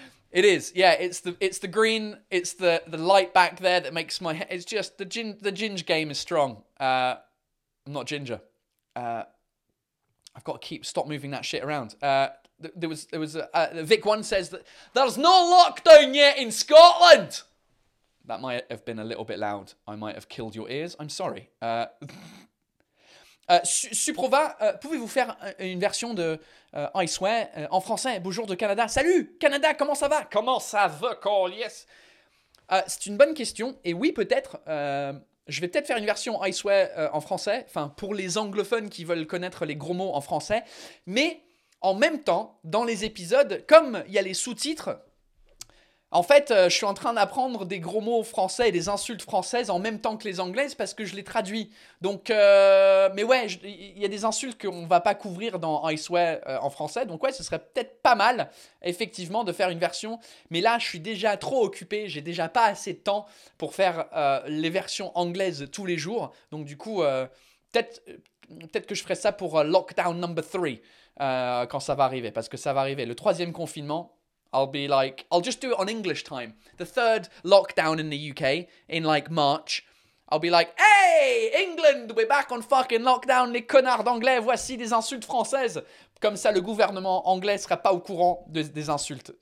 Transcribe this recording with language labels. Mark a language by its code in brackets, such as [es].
[en] It is, yeah. It's the green. It's the light back there that makes my head. It's just the ginge game is strong. I'm not ginger. I've got to stop moving that shit around. Vic One says that there's no lockdown yet in Scotland. That might have been a little bit loud. I might have killed your ears. I'm sorry. [fr] Suprova, pouvez-vous faire une version de I swear en français? Bonjour de Canada. Salut, Canada, comment ça va? Comment ça va, Cole? Yes. C'est une bonne question. Et oui, peut-être. Je vais peut-être faire une version I swear en français. Enfin, pour les anglophones qui veulent connaître les gros mots en français. Mais en même temps, dans les épisodes, comme il y a les sous-titres, en fait, je suis en train d'apprendre des gros mots français et des insultes françaises en même temps que les anglaises parce que je les traduis. Donc, mais ouais, il y a des insultes qu'on ne va pas couvrir dans I swear en français. Donc ouais, ce serait peut-être pas mal, effectivement, de faire une version. Mais là, je suis déjà trop occupé. J'ai déjà pas assez de temps pour faire les versions anglaises tous les jours. Donc du coup, peut-être que je ferai ça pour [en] lockdown number 3 [fr] quand ça va arriver. Parce que ça va arriver. Le troisième confinement... [en] I'll just do it on English time. The third lockdown in the UK in like March. I'll be like, hey, England, we're back on fucking lockdown. [fr] Les connards d'anglais, voici des insultes françaises. Comme ça, le gouvernement anglais sera pas au courant des insultes.